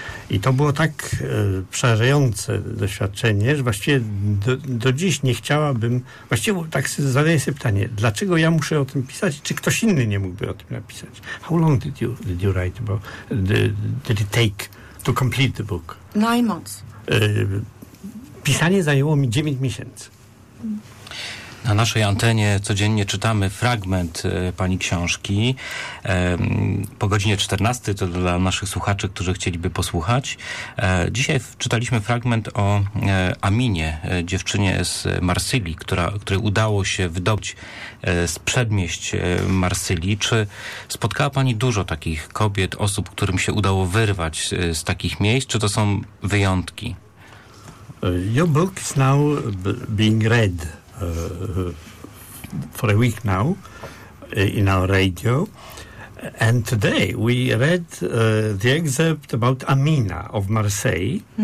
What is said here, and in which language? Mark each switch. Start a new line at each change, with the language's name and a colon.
Polish: I to było tak przerażające doświadczenie, że właściwie do dziś nie chciałabym... Właściwie tak zadaję sobie pytanie, dlaczego ja muszę o tym pisać, czy ktoś inny nie mógłby o tym napisać?
English: How long did you write about, did it take to complete the book? 9 months.
Polish: Pisanie zajęło mi 9 miesięcy. Na naszej antenie codziennie czytamy fragment pani książki po godzinie 14, to dla naszych słuchaczy, którzy chcieliby posłuchać. Dzisiaj czytaliśmy fragment o Aminie, dziewczynie z Marsylii, której udało się wydobyć z przedmieść Marsylii. Czy spotkała pani dużo takich kobiet, osób, którym się udało wyrwać z takich miejsc, czy to są wyjątki?
English: Your book is now being read for a week now in our radio, and today we read the excerpt about Amina of Marseille.